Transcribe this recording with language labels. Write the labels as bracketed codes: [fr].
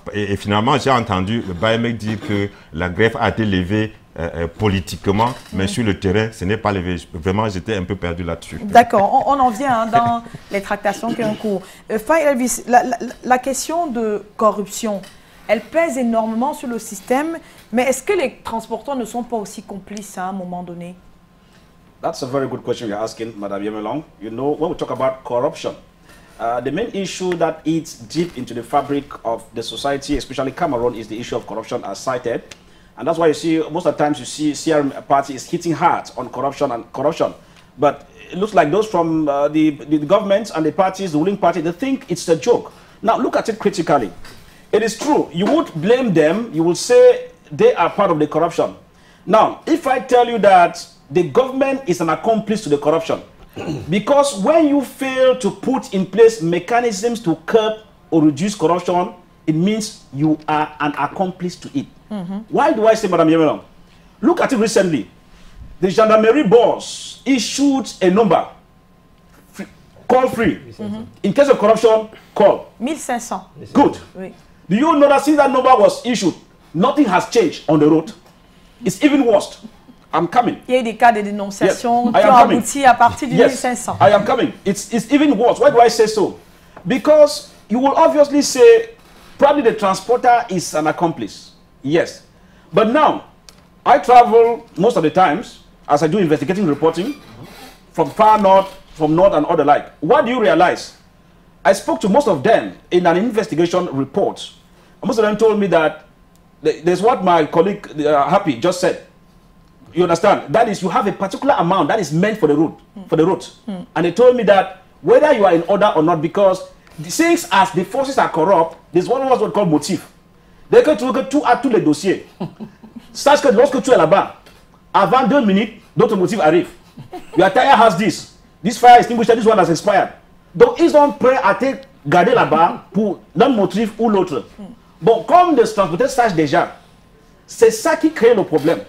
[fr] Et finalement, j'ai entendu le Bayemek dire que la grève a été levée politiquement, mais sur le terrain, ce n'est pas levé. Vraiment, j'étais un peu perdu là-dessus. D'accord, on en vient dans les tractations qui sont en cours. Elvis, la question de corruption, elle pèse énormément sur le système, mais est-ce que les transporteurs ne sont pas aussi complices à un moment donné? [en] That's a very good question you're asking, Madame Yemelong. You know, when we talk about corruption, the main issue that eats deep into the fabric of the society, especially Cameroon, is the issue of corruption, as cited. And that's why you see, most of the times, you see CRM party is hitting hard on corruption and corruption. But it looks like those from the government and the parties, the ruling party, they think it's a joke. Now, look at it critically. It is true. You would blame them. You will say they are part of the corruption. Now, if I tell you that the government is an accomplice to the corruption, because when you fail to put in place mechanisms to curb or reduce corruption, it means you are an accomplice to it. Why do I say, Madame Yemelong? Look at it recently. The gendarmerie boss issued a number. Call free. In case of corruption, call. 1500. Good. Oui. Do you know that since that number was issued, nothing has changed on the road? It's even worse. I'm coming. [fr] Il y a des cas de dénonciation qui ont abouti à partir du 1500. [en] I am coming. It's even worse. Why do I say so? Because you will obviously say, probably the transporter is an accomplice. Yes. But now, I travel most of the times, as I do investigating reporting, from far north, from north and other like. What do you realize? I spoke to most of them in an investigation report. Most of them told me that there's what my colleague Happy just said. You understand? That is, you have a particular amount that is meant for the road. For the road. And they told me that whether you are in order or not, because since as the forces are corrupt, there's one of us what called motif. [fr] Dès que tu veux que tout a tous les dossiers, sache que lorsque tu es là-bas, avant deux minutes, d'autres motifs arrivent. [en] Your tire has this. This fire extinguisher, this one has expired. [fr] Donc, ils ont prêt à te garder là-bas pour l'un motif ou l'autre. Bon, comme les transporteurs sachent déjà, c'est ça qui crée le problème.